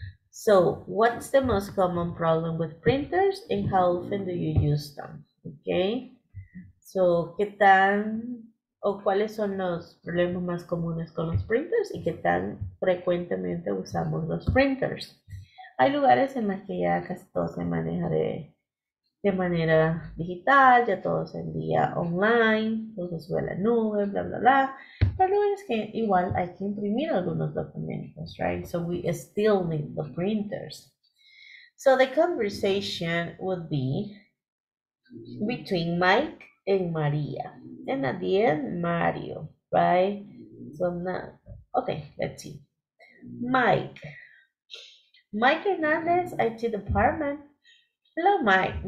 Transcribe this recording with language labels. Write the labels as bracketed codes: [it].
[en] So, what's the most common problem with printers and how often do you use them, okay? [es] So, ¿qué tan o cuáles son los problemas más comunes con los printers y qué tan frecuentemente usamos los printers? Hay lugares en los que ya casi todo se maneja de manera digital, ya todo se envía online, todo se sube a la nube, bla, bla, bla. Pero lugares que igual hay que imprimir algunos documentos, right? [en] So we still need the printers. So the conversation would be between Mike and Maria. And at the end, Mario, right? So now, okay, let's see. Mike. Mike Hernandez, IT department. Hello, Mike.